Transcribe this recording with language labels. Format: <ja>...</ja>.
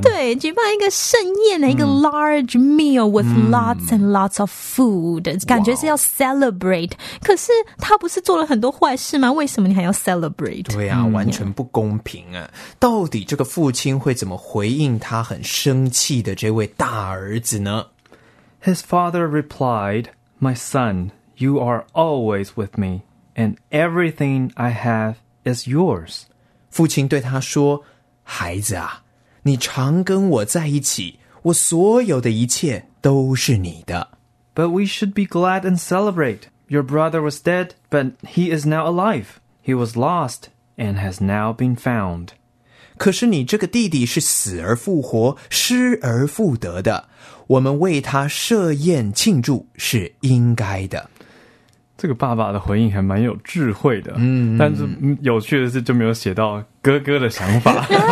<zh>对，举办一个盛宴的一个</zh> <en>large meal with lots and lots of food，</en> <zh>感觉是要 celebrate。可是他不是做了很多坏事吗？为什么你还要 celebrate？对啊，完全不公平啊。到底这个父亲会怎么回应他很生气的这位大儿子呢？</zh> <en>His father replied, My son, you are always with me, and everything I have is yours.</en> <zh>父亲对他说，孩子啊，你常跟我在一起，我所有的一切都是你的。</zh> <en>But we should be glad and celebrate. Your brother was dead, but he is now alive. He was lost and has now been found.</en> <zh>可是你这个弟弟是死而复活，失而复得的，我们为他设宴庆祝是应该的。这个爸爸的回应还蛮有智慧的，但是有趣的是就没有写到哥哥的想法</zh>